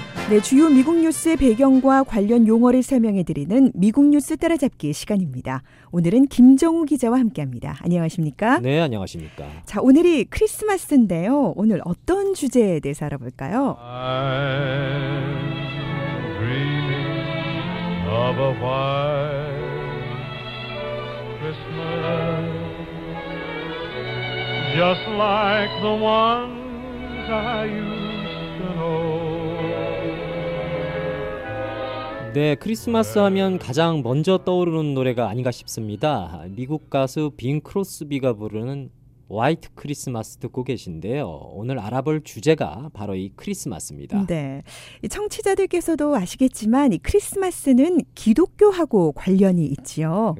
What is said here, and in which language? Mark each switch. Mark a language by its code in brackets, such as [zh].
[ko] 네, 주요 미국 뉴스의 배경과 관련 용어를 설명해드리는 미국 뉴스 따라잡기 시간입니다. 오늘은 김정우 기자와 함께합니다. 안녕하십니까? 네, 안녕하십니까? 자, 오늘이 크리스마스인데요. 오늘 어떤 주제에 대해서 알아볼까요? [en] I'm dreaming of a white Christmas just like the ones I used to know. [ko] 네, 크리스마스 하면 가장 먼저 떠오르는 노래가 아닌가 싶습니다. 미국 가수 빙 크로스비가 부르는 화이트 크리스마스 듣고 계신데요. 오늘 알아볼 주제가 바로 이 크리스마스입니다. 네, 청취자들께서도 아시겠지만 이 크리스마스는 기독교하고 관련이 있지요.